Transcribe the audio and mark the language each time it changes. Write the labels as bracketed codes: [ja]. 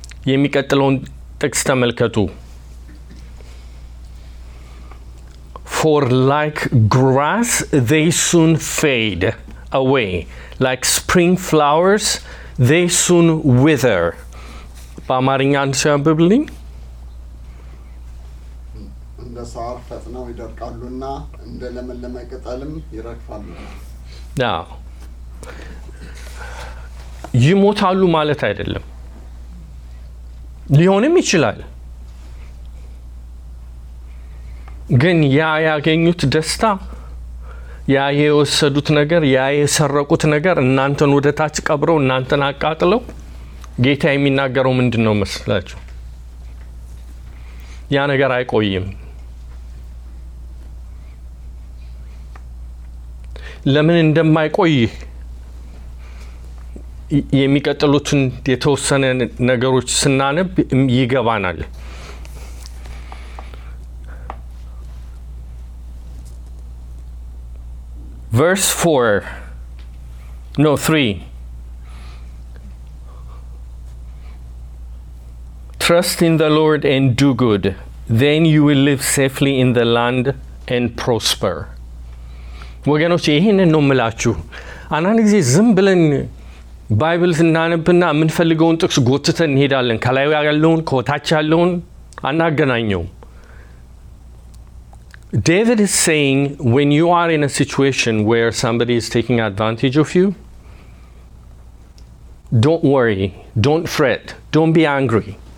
[am] የሚቀጥለውን ጥቅስ ተመልከቱ። [en] For like grass they soon fade away, like spring flowers they soon wither. [am] በአማርኛ አንብብልኝ። እንደ ሳር ፈጥነው ይደርቃሉና እንደ ለመለመ ቅጠልም ይረግፋሉ። አዎ፣ ይሞታሉ ማለት አይደለም። ሊሆንም ይችላል፣ ግን ያ ያገኙት ደስታ፣ ያ የወሰዱት ነገር፣ ያ የሰረቁት ነገር እናንተን ወደ ታች ቀብረው እናንተን አቃጥለው ጌታ የሚናገረው ምንድን ነው መስላችሁ? ያ ነገር አይቆይም። ለምን እንደማይቆይ የሚቀጥሉትን የተወሰነ ነገሮች ስናነብ ይገባናል። [en] Verse 4, no, 3. Trust in the Lord and do good. Then you will live safely in the land and prosper. [am] ወገኖች ይሄንን ነው የምላችሁ። አንዳንድ ጊዜ ዝም ብለን ባይብል ስናነብና የምንፈልገውን ጥቅስ ጎትተን እንሄዳለን። ከላይ ያለውን ከታች ያለውን አናገናኘውም። [en] David is saying, when you are in a situation where somebody is taking advantage of you, don't worry, don't fret, don't be angry.